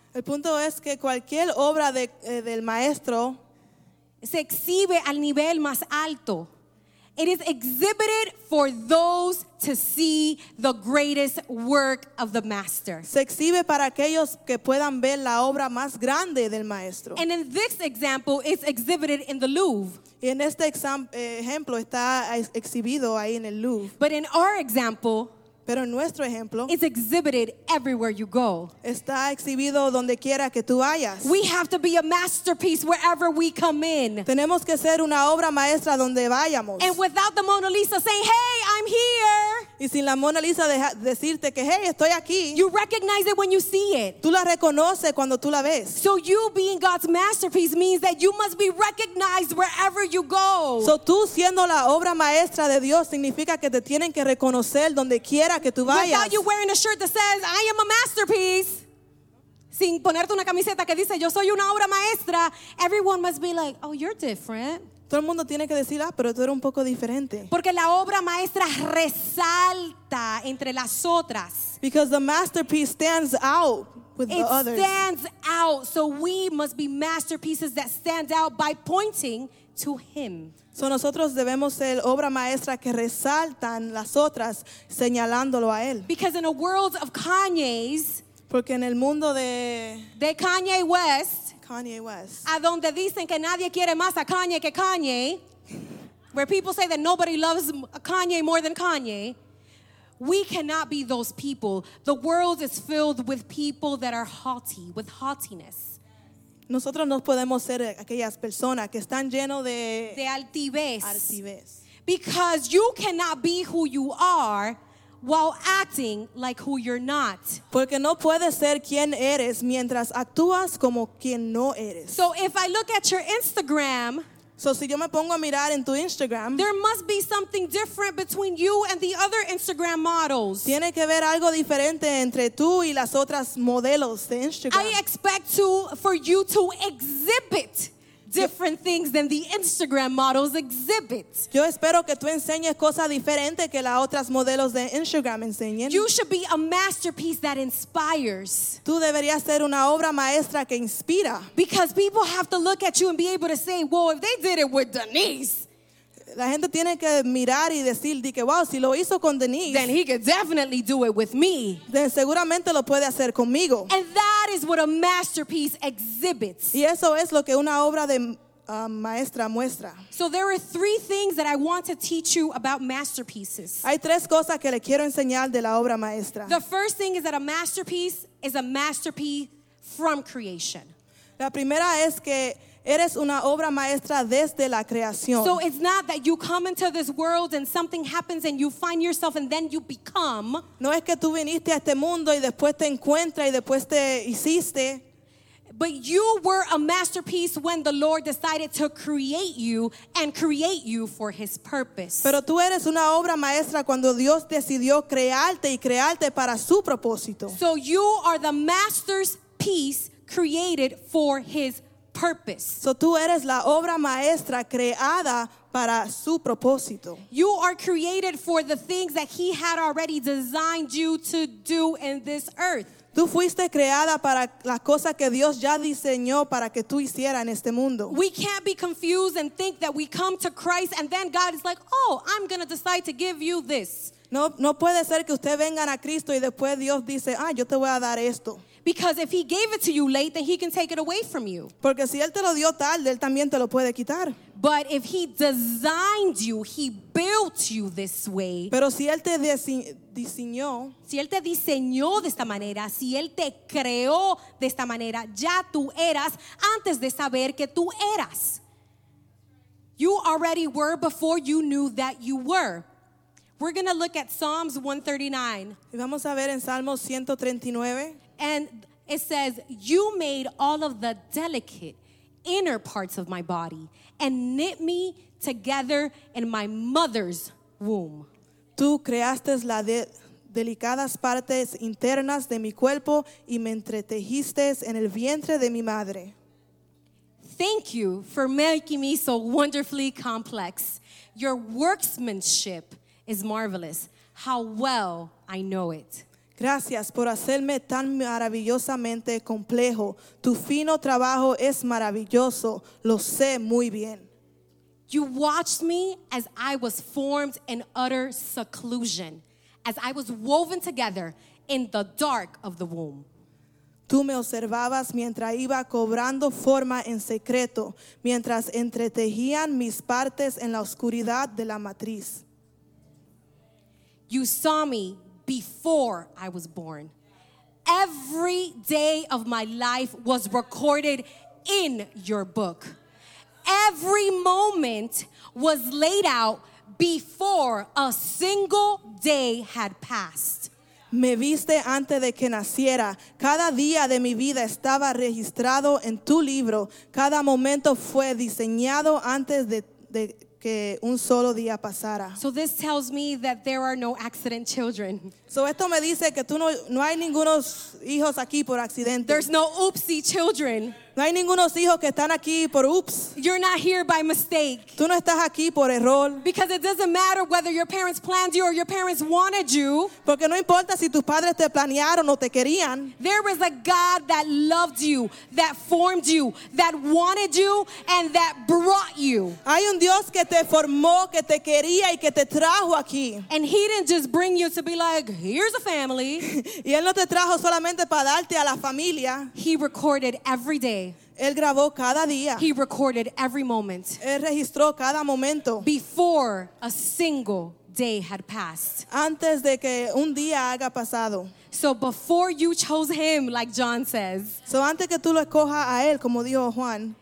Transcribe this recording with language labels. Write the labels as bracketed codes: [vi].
[es] El punto es que cualquier obra del maestro se exhibe al nivel más alto. [en] It is exhibited for those to see the greatest work of the master. [es] Se exhibe para aquellos que puedan ver la obra más grande del maestro. [en] And in this example, it's exhibited in the Louvre. [es] Y en este ejemplo está exhibido ahí en el Louvre. [en] But in our example, [es] pero en nuestro ejemplo, [en] it's exhibited everywhere you go. [es] Está exhibido donde quiera que tú vayas. [en] We have to be a masterpiece wherever we come in. [es] Tenemos que ser una obra maestra donde vayamos. [en] And without the Mona Lisa saying, "Hey, I'm here." [es] Y sin la Mona Lisa decirte que, "Hey, estoy aquí." [en] You recognize it when you see it. [es] Tú la reconoces cuando tú la ves. [en] So you being God's masterpiece means that you must be recognized wherever you go. [es] So tú siendo la obra maestra de Dios significa que te tienen que reconocer donde quiera. [en] Without you wearing a shirt that says I am a masterpiece, [es] sin ponerte una camiseta que dice yo soy una obra maestra, [en] everyone must be like, oh, you're different. [es] Todo el mundo tiene que decir, ah, pero tú eres un poco diferente. Porque la obra maestra resalta entre las otras. [en] Because the masterpiece stands out with the others. It stands out, so we must be masterpieces that stand out by pointing to him. [es] So nosotros debemos ser obra maestra que resaltan las otras señalándolo a él. [en] Because in a world of Kanye's, [es] porque en el mundo de Kanye West, Kanye West, a donde dicen que nadie quiere más a Kanye que Kanye, [en] where people say that nobody loves Kanye more than Kanye, we cannot be those people. The world is filled with people that are haughty, with haughtiness. [es] Nosotros no podemos ser aquellas personas que están llenos de altivez. Altivez. [en] Because you cannot be who you are while acting like who you're not. [es] Porque no puedes ser quien eres mientras actúas como quien no eres. [en] So if I look at your Instagram, [es] so si yo me pongo a mirar en tu Instagram, [en] there must be something different between you and the other Instagram models. [es] Tiene que ver algo diferente entre tú y las otras modelos de Instagram. [en] I expect for you to exhibit different things than the Instagram models exhibit. [es] Yo espero que tú enseñes cosas diferentes que las otras modelos de Instagram enseñen. [en] You should be a masterpiece that inspires. [es] Tú deberías ser una obra maestra que inspira. [en] Because people have to look at you and be able to say, "Whoa, if they did it with Denise." [es] La gente tiene que mirar y decir, "Dique, wow, si lo hizo con Denise." [en] Then he could definitely do it with me. [es] Then seguramente lo puede hacer conmigo. [en] And that is what a masterpiece exhibits. [es] Y eso es lo que una obra de maestra muestra. [en] So there are three things that I want to teach you about masterpieces. [es] Hay tres cosas que le quiero enseñar de la obra maestra. [en] The first thing is that a masterpiece is a masterpiece from creation. [es] La primera es que eres una obra maestra desde la creación. [en] So it's not that you come into this world and something happens and you find yourself and then you become. [es] No es que tú viniste a este mundo y después te encuentras y después te hiciste. [en] But you were a masterpiece when the Lord decided to create you and create you for his purpose. [es] Pero tú eres una obra maestra cuando Dios decidió crearte y crearte para su propósito. [en] So you are the master's piece created for his purpose. Purpose. [es] So tú eres la obra maestra creada para su propósito. [en] You are created for the things that he had already designed you to do in this earth. [es] Tú fuiste creada para las cosas que Dios ya diseñó para que tú hicieras en este mundo. [en] We can't be confused and think that we come to Christ and then God is like, "Oh, I'm going to decide to give you this." [es] No, no puede ser que usted vengan a Cristo y después Dios dice, "Ah, yo te voy a dar esto." [en] Because if he gave it to you late, then he can take it away from you. [es] Porque si él te lo dio tarde, él también te lo puede quitar. [en] But if he designed you, he built you this way. [es] Pero si él te diseñó, si él te diseñó de esta manera, si él te creó de esta manera, ya tú eras antes de saber que tú eras. [en] You already were before you knew that you were. We're going to look at Psalms 139. [es] Y vamos a ver en Salmos 139. [en] And it says, you made all of the delicate inner parts of my body and knit me together in my mother's womb. [es] Tú creaste las delicadas partes internas de mi cuerpo y me entretejiste en el vientre de mi madre. [en] Thank you for making me so wonderfully complex. Your workmanship is marvelous. How well I know it. [es] Gracias por hacerme tan maravillosamente complejo. Tu fino trabajo es maravilloso. Lo sé muy bien. [en] You watched me as I was formed in utter seclusion, as I was woven together in the dark of the womb. [es] Tú me observabas mientras iba cobrando forma en secreto, mientras entretejían mis partes en la oscuridad de la matriz. [en] You saw me before I was born. Every day of my life was recorded in your book. Every moment was laid out before a single day had passed. [es] Me viste antes de que naciera. Cada día de mi vida estaba registrado en tu libro. Cada momento fue diseñado antes de que un solo día pasara. [en] So this tells me that there are no accident children. [es] So esto me dice que tú no hay ningunos hijos aquí por accidente. [en] There's no oopsie children. [es] No hay ningunos hijos que están aquí por oops. [en] You're not here by mistake. [es] Tú no estás aquí por error. [en] Because it doesn't matter whether your parents planned you or your parents wanted you. [es] Porque no importa si tus padres te planearon o te querían. [en] There was a God that loved you, that formed you, that wanted you, and that brought you. [es] Hay un Dios que te formó, que te quería y que te trajo aquí. [en] And he didn't just bring you to be like, here's a family. [es] Y él no te trajo solamente para darte a la familia. [en] He recorded every day. [es] Él grabó cada día. [en] He recorded every moment. [es] Él registró cada momento. [en] Before a single day had passed. [es] Antes de que un día haya pasado. [en] So before you chose him, like John says. [es] So antes que tú lo escojas a él, como dijo Juan.